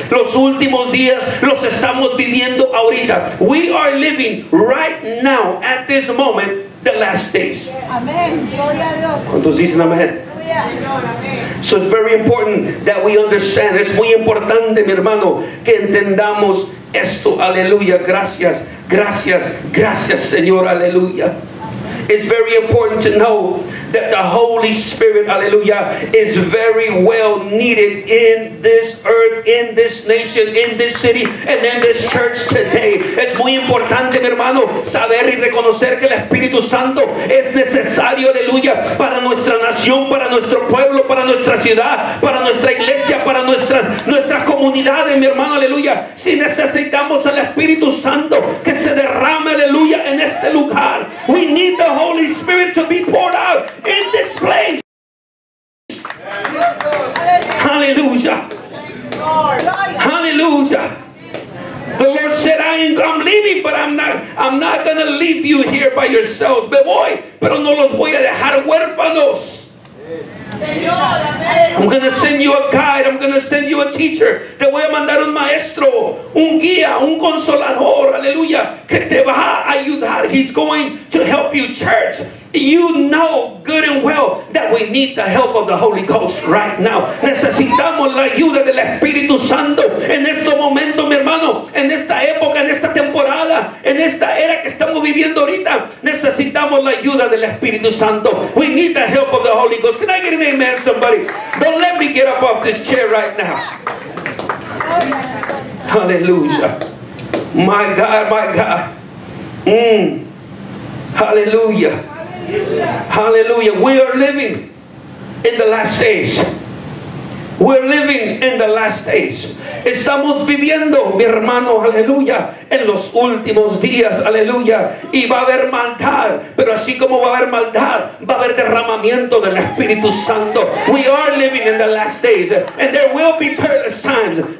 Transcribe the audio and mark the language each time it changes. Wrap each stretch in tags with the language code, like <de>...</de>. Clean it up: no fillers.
<es>Los últimos días los estamos viviendo ahorita.</es> <en>We are living right now, at this moment, the last days.</en> <es>Amén. Gloria a Dios. ¿Cuántos dicen amén?</es> <en>So it's very important that we understand.</en> <es>Es muy importante, mi hermano, que entendamos esto. Aleluya. Gracias, gracias, gracias, Señor. Aleluya.</es> <en>It's very important to know that the Holy Spirit, aleluya, is very well needed in this earth, in this nation, in this city, and in this church today.</en> <es>Es muy importante, mi hermano, saber y reconocer que el Espíritu Santo es necesario, aleluya, para nuestra nación, para nuestro pueblo, para nuestra ciudad, para nuestra iglesia, para nuestra comunidad, mi hermano, aleluya. Si necesitamos al Espíritu Santo que se derrame, aleluya, en este lugar,</es> <en>we need the Holy Spirit to be poured out in this place. Hallelujah. Hallelujah. The Lord said, I'm leaving, but I'm not going to leave you here by yourselves.</en> <es>Me voy, pero no los voy a dejar huérfanos.</es> <en>I'm going to send you a guide. I'm going to send you a teacher.</en> <es>Te voy a mandar un maestro, un guía, un consolador, aleluya, que te va a ayudar.</es> <en>He's going to help you, church. You know good and well that we need the help of the Holy Ghost right now.</en> <es>Necesitamos la ayuda del Espíritu Santo en este momento, mi hermano, en esta época, en esta temporada, en esta era que estamos viviendo ahorita. Necesitamos la ayuda del Espíritu Santo.</es> <en>We need the help of the Holy Ghost. Can I get an amen, somebody? Don't let me get up off this chair right now. Hallelujah. My God, my God. Hallelujah. Hallelujah. We are living in the last days. We're living in the last days.</en> <es>Estamos viviendo, mi hermano, aleluya, en los últimos días, aleluya. Y va a haber maldad, pero así como va a haber maldad, va a haber derramamiento del Espíritu Santo.</es> <en>We are living in the last days, and there will be perilous times.</en>